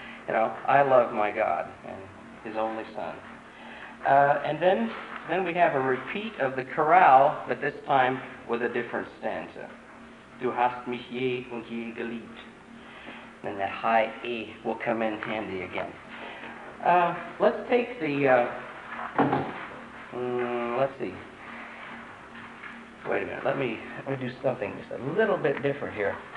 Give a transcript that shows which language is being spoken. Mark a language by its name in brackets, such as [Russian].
[English] You know, I love my God and His only Son. And then we have a repeat of the chorale, but this time with a different stanza. [German] Du hast mich je und je geliebt. [English] And that high E will come in handy again. Let's take the... let's see. Wait a minute. Let me do something just a little bit different here.